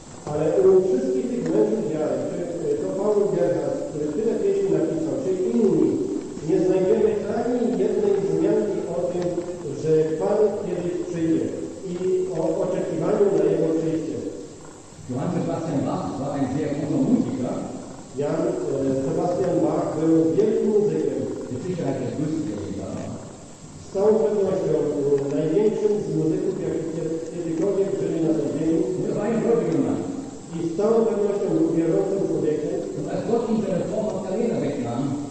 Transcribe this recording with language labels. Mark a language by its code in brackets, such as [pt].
[pl] Ale u wszystkich tych mężów wiary, to Paweł Gerhard, który tyle pieśni napisał, czy inni, nie znajdziemy ani jednej wzmianki o tym, że Pan kiedyś przyjdzie i o oczekiwaniu na jego przyjście. [de] Johann Sebastian Bach war ein sehr guter Musiker. [pl] Jan Sebastian Bach był wielkim muzykiem. [de] Mit Sicherheit der größte Musiker. [pl] Z całą pewnością największym z muzyków, jakich kiedykolwiek żyli na tej ziemi. [de] To war ein gläubiger Mann. [pl] I z całą pewnością był wierzącym człowiekiem. [de] Und als Gott ihn seine Frau Magdalena wegnahm.